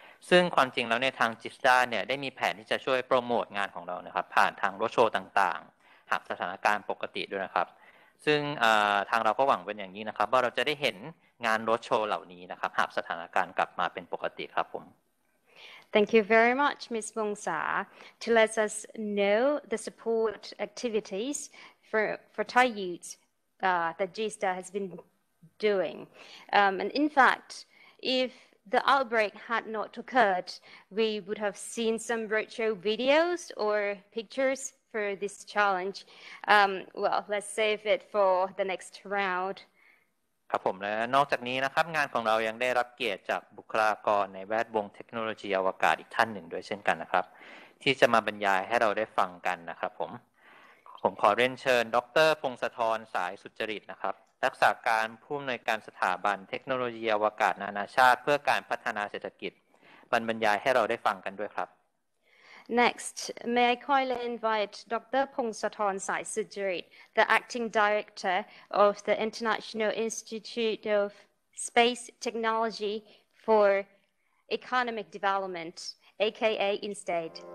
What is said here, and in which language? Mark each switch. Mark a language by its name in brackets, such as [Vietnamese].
[Thai] ซึ่งความจริงแล้วในทางจิสต้าเนี่ยได้มีแผนที่จะช่วยโปรโมทงานของเรานะครับผ่านทางโรดโชว์ต่างๆหากสถานการณ์ปกติด้วยนะครับซึ่งทางเราก็หวังเป็นอย่างนี้นะครับว่าเราจะได้เห็นงานโรดโชว์เหล่านี้นะครับหากสถานการณ์กลับมาเป็นปกติครับผม [English] Thank you very much Ms. Wongsa to let us know the support activities for Thai youth that GISTA has been doing and in fact ifThe outbreak had not occurred, we would have seen some roadshow videos or pictures for this challenge. Well, let's save it for the next round. [Thai] ครับผมและนอกจากนี้นะครับงานของเรายังได้รับเกียรติจากบุคลากรในแวดวงเทคโนโลยีอวกาศอีกท่านหนึ่งด้วยเช่นกันนะครับที่จะมาบรรยายให้เราได้ฟังกันนะครับผมขอเรียนเชิญดร. พงศธรสายสุจริตนะครับรักษาการผู้อำนวยการสถาบันเทคโนโลยีอวกาศนานาชาติเพื่อการพัฒนาเศรษฐกิจบรรยายให้เราได้ฟังกันด้วยครับ [English] Next may I kindly invite Dr. Pong Sathorn Sai Sujirit the acting director of the International Institute of Space Technology for Economic Development aka INSTED